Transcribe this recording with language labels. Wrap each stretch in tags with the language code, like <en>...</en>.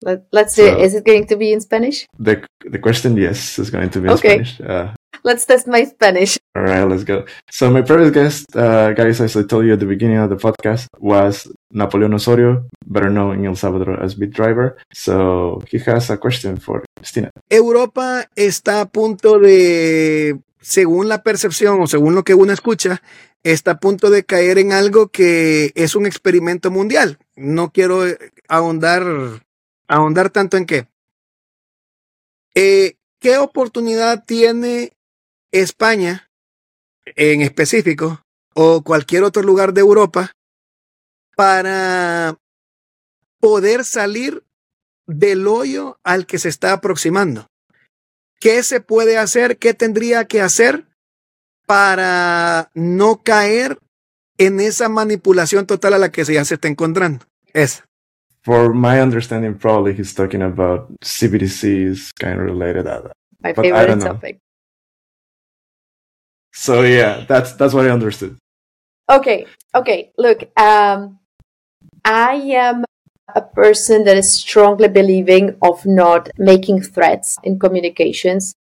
<en>Let's see. So, is it going to be in Spanish? The question, yes, is going to be in Spanish. Let's test my Spanish. All right, let's go. So my previous guest, guys, as I told you at the beginning of the podcast, was Napoleon Osorio, better known in El Salvador as BitDriver. So he has a question for Christina.</en> <es>Europa está a punto de, según la percepción o según lo que uno escucha, está a punto de caer en algo que es un experimento mundial. No quiero ahondar tanto en qué. ¿Qué oportunidad tiene España en específico o cualquier otro lugar de Europa para poder salir del hoyo al que se está aproximando? ¿Qué se puede hacer? ¿Qué tendría que hacer para no caer en esa manipulación total a la que ya se está encontrando?</es> <en>For my understanding, probably he's talking about CBDCs, kind of related to that. My favorite topic. So yeah, that's what I understood. Okay. Look, I am a person that is strongly believing of not making threats in communications.</en>